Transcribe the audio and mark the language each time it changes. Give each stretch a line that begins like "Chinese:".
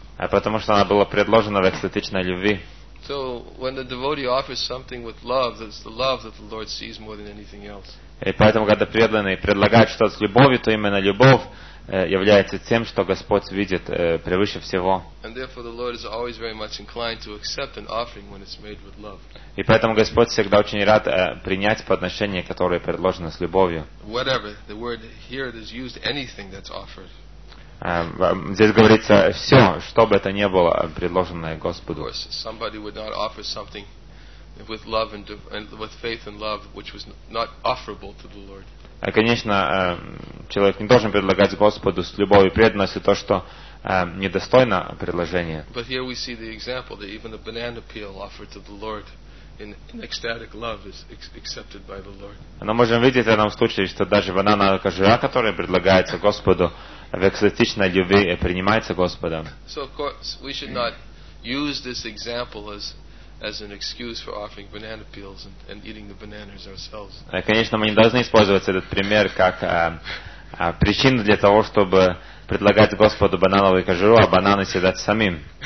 Russian: Потому что она была предложена в экстатичной любви.
English: So when the devotee offers something with love, that's the love that the Lord sees more than anything else.
Russian: И поэтому, когда преданный предлагает что-то с любовью, то именно любовь является тем, что Господь видит превыше всего.
English: And therefore the Lord is always very much inclined to accept an offering when it's made with love.
Russian: И поэтому Господь всегда очень рад принять подношение, которое предложено с любовью.
English: Whatever, the word here is used, anything that's offered.
Russian: Здесь говорится все, что бы это ни было, предложенное Господу.
English: Of course, somebody would not offer something with love and with faith and love, which was not offerable to the Lord.
Russian: Конечно, человек не должен предлагать Господу с любовью и преданностью то, что недостойно предложения.
English: But here we see the example that even a banana peel offered to the Lord in ecstatic love is accepted by the Lord.
Russian: Но можем видеть в этом случае, что даже банановая кожура, которая предлагается Господу в экстатичной любви, принимается Господом.
English: So of course we should not use this example as an excuse for offering banana peels and eating the bananas ourselves.
Russian: Конечно, мы не должны использовать этот пример как причину для того, чтобы предлагать Господу банановую кожуру, а бананы съедать самим.